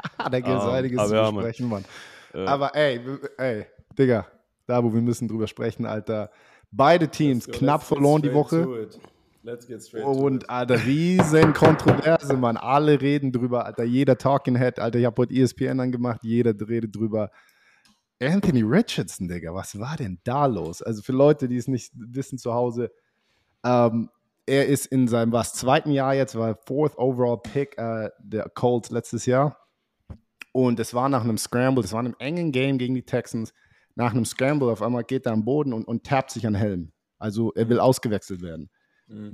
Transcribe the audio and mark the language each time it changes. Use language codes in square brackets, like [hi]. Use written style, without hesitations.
[de] Da gibt es einiges zu besprechen, Mann. Aber ey, Digga, Dabu, wir müssen drüber sprechen, Alter. Beide Teams knapp verloren die Woche. [en] Let's get straight to it. [de] Und Alter, riesen Kontroverse, Mann. Alle reden drüber, Alter. Jeder Talking Head, Alter. Ich habe heute ESPN angemacht, jeder redet drüber. Anthony Richardson, Digga, was war denn da los? Also für Leute, die es nicht wissen zu Hause, er ist in seinem zweiten Jahr jetzt, war [en] fourth overall pick [de] der Colts letztes Jahr. Und es war nach einem Scramble, das war in einem engen Game gegen die Texans. Nach einem Scramble auf einmal geht er am Boden und tappt sich an Helm. Also er will ausgewechselt werden. Mhm.